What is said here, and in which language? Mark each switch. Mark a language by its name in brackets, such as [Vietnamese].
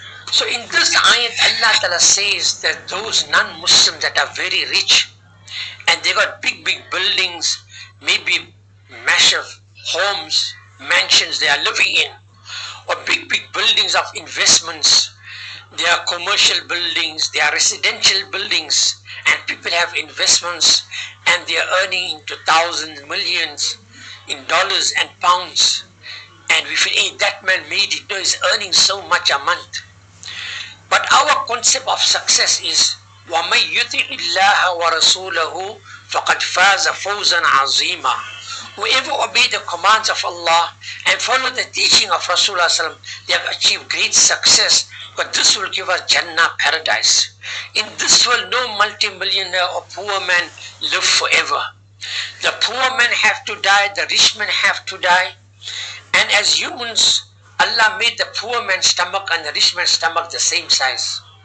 [English] So in this ayat, Allah Ta'ala says that those non-Muslims that are very rich and they got big, big buildings, maybe massive homes, mansions they are living in, or big, big buildings of investments, they are commercial buildings, they are residential buildings, and people have investments and they are earning into thousands, millions in dollars and pounds. And we feel, hey, that man made it, no, he's earning so much a month. But our concept of success is [Arabic] وَمَنْ يُطِعِ اللَّهَ وَرَسُولَهُ فَقَدْ فَازَ فَوْزًا عَظِيمًا. [English] Whoever obey the commands of Allah and follow the teaching of Rasulullah, they have achieved great success. But this will give us Jannah, paradise. In this world, no multimillionaire or poor man live forever. The poor man have to die, the rich man have to die. And as humans, Allah made the poor man's stomach and the rich man's stomach the same size.